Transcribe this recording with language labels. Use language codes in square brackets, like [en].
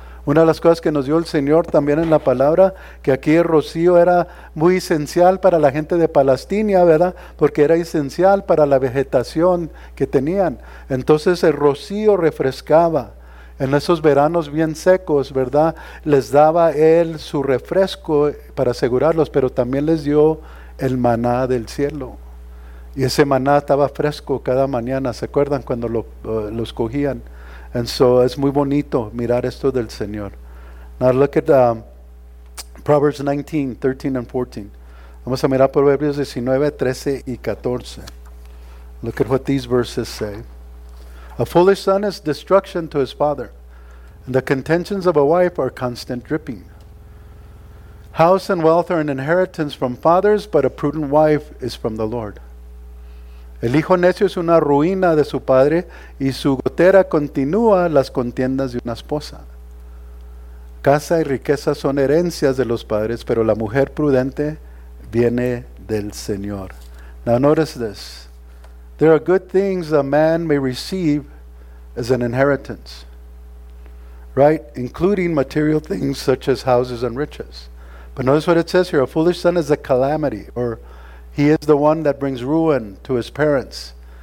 [es] Una de las cosas que nos dio el Señor también en la palabra, que aquí el rocío era muy esencial para la gente de Palestina, ¿verdad? Porque era esencial para la vegetación que tenían. Entonces el rocío refrescaba. En esos veranos bien secos, ¿verdad? Les daba él su refresco para asegurarlos, pero también les dio el maná del cielo. Y ese maná estaba fresco cada mañana, ¿se acuerdan cuando los cogían? [en] And so [es] es muy bonito mirar esto del Señor. [en] Now look at Proverbs 19, 13 and 14. [es] Vamos a mirar Proverbios 19, 13 y 14. [en] Look at what these verses say. A foolish son is destruction to his father, and the contentions of a wife are constant dripping. House and wealth are an inheritance from fathers, but a prudent wife is from the Lord. [es] El hijo necio es una ruina de su padre, y su gotera continúa las contiendas de una esposa. Casa y riqueza son herencias de los padres, pero la mujer prudente viene del Señor. [en] Now notice this. There are good things a man may receive as an inheritance, right? Including material things such as houses and riches. But notice what it says here. A foolish son is a calamity, or he is the one that brings ruin to his parents.